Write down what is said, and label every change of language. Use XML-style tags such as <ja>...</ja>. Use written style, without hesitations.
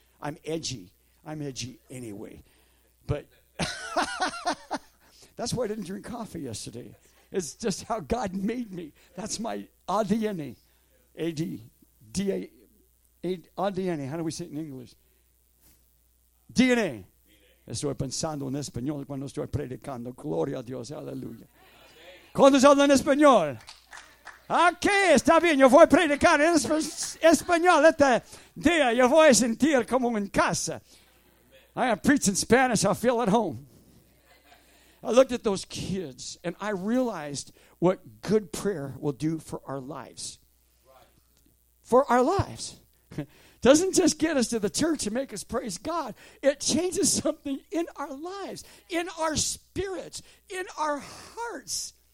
<en>I'm edgy anyway. But that's why I didn't drink coffee yesterday. It's just how God made me. That's my ADNA. ADNA. How do we say it in English? DNA.</en> <es>Estoy pensando en español cuando estoy predicando. Gloria a Dios. Aleluya. Cuando se habla en español. Ok, está bien. Yo voy a predicar en español este día. Yo voy a sentir como en casa.</es> <en>I am preaching Spanish. I feel at home. I looked at those kids and I realized what good prayer will do for our lives. For our lives. Doesn't just get us to the church and make us praise God. It changes something in our lives, in our spirits, in our hearts.</en>